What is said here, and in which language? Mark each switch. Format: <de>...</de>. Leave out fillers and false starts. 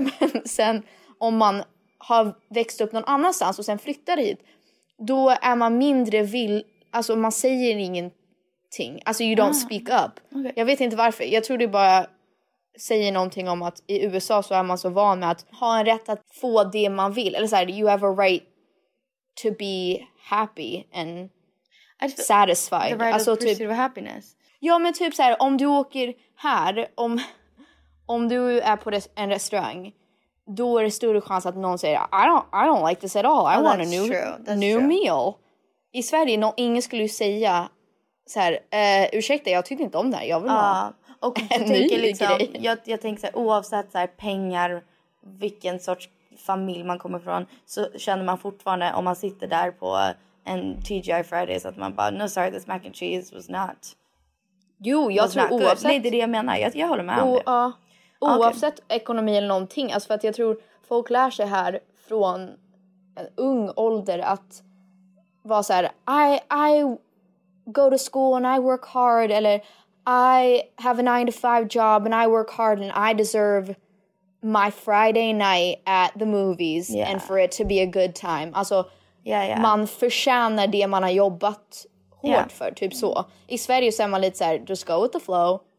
<sv>Men sen om man har växt upp någon annanstans och sen flyttar hit, då är man mindre vill... Alltså, man säger ingenting. Alltså,</sv> <en>you don't speak up. Okay.</en> <sv>Jag vet inte varför. Jag tror det bara säger någonting om att i USA så är man så van med att ha en rätt att få det man vill. Eller så här,</sv> <en>you have a right to be happy and satisfied. The right alltså, of pursuit of happiness.</en> <sv>Ja, men typ så här, om du åker här, om du är på en restaurang, då är det större chans att någon säger</sv> <en>I don't like this at all. I want a new meal.</en> <sv>I Sverige, ingen skulle ju säga så här, ursäkta, jag tyckte inte om det här. Jag vill ha och en ny tänker liksom, grej. Jag tänker så här, oavsett så här, pengar, vilken sorts familj man kommer från, så känner man fortfarande, om man sitter där på en TGI Fridays, att man bara,</sv> <en>no sorry, this mac and cheese was not...</en> <sv>Jo, jag tror oavsett... Nej, det är det jag menar. Jag håller med om det. Oavsett ekonomi eller någonting. Alltså för att jag tror folk lär sig här från en ung ålder att vara så här,</sv> <en>I go to school and I work hard. Eller I have a 9-to-5 job and I work hard and I deserve my Friday night at the movies. Yeah. And for it to be a good time.</en> <sv>Alltså man förtjänar det man har jobbat hårt för. Typ så. I Sverige så är man lite så här,</sv> <en>just go with the flow.</en>